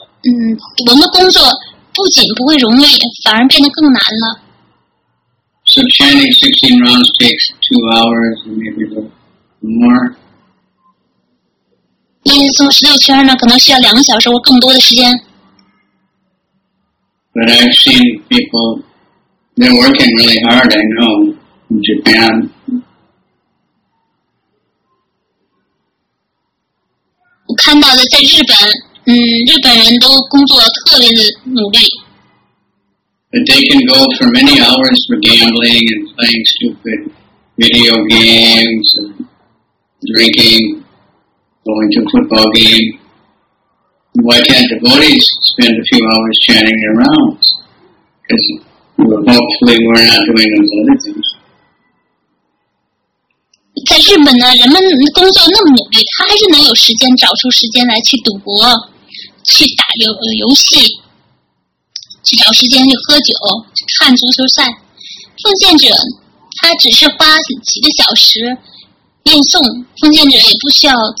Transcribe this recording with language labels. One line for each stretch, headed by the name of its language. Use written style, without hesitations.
Chinese: 嗯，我们工作不仅不会容易，反而变得更难了。
English: So chanting 16 rounds takes 2 hours and maybe a little more.
Chinese: 念诵十六圈呢，可能需要两个小时或更多的时间。
English: But I've seen people, they're working really hard, I know, in Japan.
Chinese: 我看到的在日本，日本人都工作特别的努力。
English: But they can go for many hours for gambling and playing stupid video games and drinking. Going to a football game. Why can't devotees spend a few hours chanting their rounds? Because hopefully we're not doing those other things.
Chinese: 在日本呢，人们工作那么努力，他还是能有时间找出时间来去赌博，去打游戏，去找时间去喝酒，去看足球赛。奉献者他只是花几个小时念诵，奉献者也不需要。